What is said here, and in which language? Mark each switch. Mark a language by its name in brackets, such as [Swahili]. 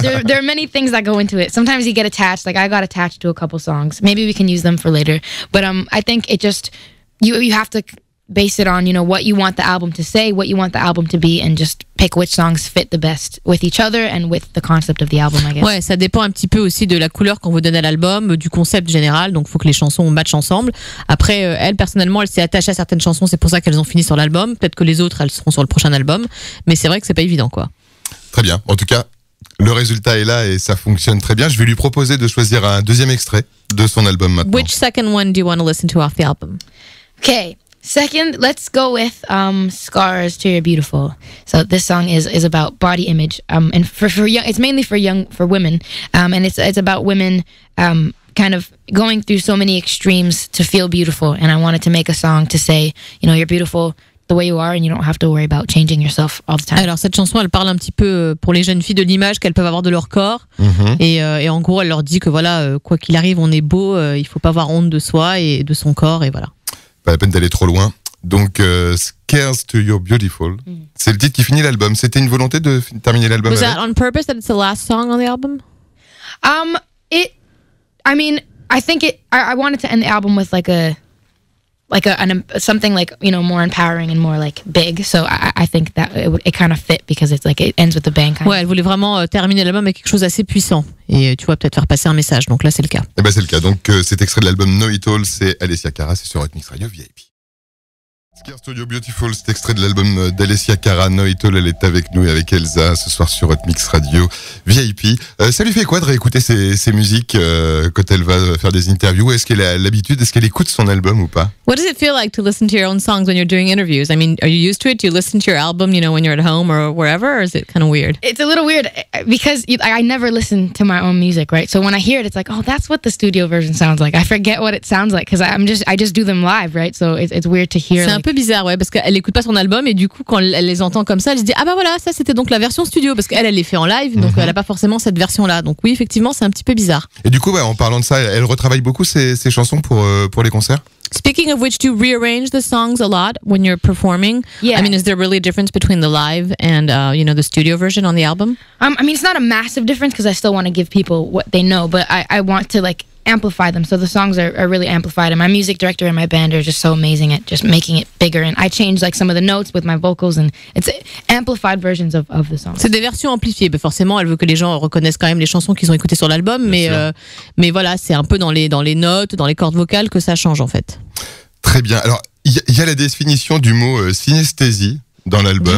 [English] There are many things that go into it. Sometimes you get attached. Like I got attached to a couple songs. Maybe we can use them for later. But I think it just you have to base it on, you know, what you want the album to say, what you want the album to be, and just pick which songs fit the best with each other and with the concept of the album, I guess. [French] Ouais, ça dépend un petit peu aussi de la couleur qu'on veut donner à l'album, du concept général, donc il faut que les chansons matchent ensemble. Après, elle, personnellement, elle s'est attachée à certaines chansons, c'est pour ça qu'elles ont fini sur l'album. Peut-être que les autres, elles seront sur le prochain album, mais c'est vrai que c'est pas évident, quoi. Très bien. En tout cas, le résultat est là et ça fonctionne très bien. Je vais lui proposer de choisir un deuxième extrait de son album maintenant. [English] Which second one do you want to listen to off the album? Okay. Second, let's go with Scars to Your Beautiful. So this song is about body image. And for young, it's mainly for women. And it's about women kind of going through so many extremes to feel beautiful. And I wanted to make a song to say, you know, you're beautiful the way you are and you don't have to worry about changing yourself all the time. [French] Alors cette chanson, elle parle un petit peu pour les jeunes filles de l'image qu'elles peuvent avoir de leur corps. Mm-hmm. Et en gros, elle leur dit que voilà, quoi qu'il arrive, on est beau, il faut pas avoir honte de soi et de son corps et voilà. Pas la peine d'aller trop loin. Donc, Scars to Your Beautiful, c'est le titre qui finit l'album. C'était une volonté de terminer l'album. [English] Was that on purpose that it's the last song on the album? I mean, I think it. I wanted to end the album with something like, you know, more empowering and more like big. So I think that it kind of fit because it's like it ends with a bang. [French] Ouais, elle voulait vraiment terminer l'album avec quelque chose assez puissant. Et tu vois, peut-être faire passer un message. Donc là, c'est le cas. Et ben, c'est le cas. Donc cet extrait de l'album Know It All, c'est Alessia Cara, c'est sur Hotmix Radio VIP. Scars to Your Beautiful, cet extrait de l'album d'Alessia Cara, Know It All, elle est avec nous et avec Elsa ce soir sur Hotmix Radio VIP. Ça lui fait quoi de réécouter ses musiques quand elle va faire des interviews? Est-ce qu'elle a l'habitude? Est-ce qu'elle écoute son album ou pas? [English] What does it feel like to listen to your own songs when you're doing interviews? I mean, are you used to it? Do you listen to your album, you know, when you're at home or wherever? Or is it kind of weird? It's a little weird because I never listen to my own music, right? So when I hear it, it's like, oh, that's what the studio version sounds like. I forget what it sounds like because I just do them live, right? So it's weird to hear. [French] C'est un peu bizarre, ouais, parce qu'elle écoute pas son album et du coup, quand elle les entend comme ça, elle se dit, ah bah voilà, ça c'était donc la version studio, parce qu'elle, elle les fait en live, donc mm-hmm. Elle a pas forcément cette version-là. Donc oui, effectivement, c'est un petit peu bizarre. Et du coup, ouais, en parlant de ça, elle retravaille beaucoup ses chansons pour les concerts? [English] Speaking of which, do you rearrange the songs a lot when you're performing? Yeah. I mean, is there really a difference between the live and, you know, the studio version on the album? I mean, it's not a massive difference because I still want to give people what they know, but I want to, like, amplify them, so the songs are really amplified, and my music director and my band are just so amazing at just making it bigger, and I change like some of the notes with my vocals, and it's amplified versions of the songs. [French] C'est des versions amplifiées, mais forcément elle veut que les gens reconnaissent quand même les chansons qu'ils ont écoutées sur l'album, mais voilà, c'est un peu dans les notes, dans les cordes vocales que ça change en fait. Très bien, alors il y a la définition du mot synesthésie dans l'album.